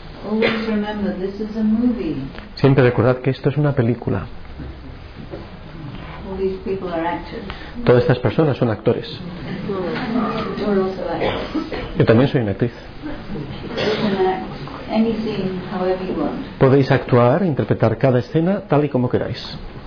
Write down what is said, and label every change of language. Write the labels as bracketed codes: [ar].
[en] Always remember, this is a movie. [es] Siempre recordad que esto es una película. [en] All these people are actors. [es] Todas estas personas son actores. [en] You're also an actor. [es] Yo también soy una actriz. [en] You can act any scene however you want. [es] Podéis actuar, interpretar cada escena tal y como queráis.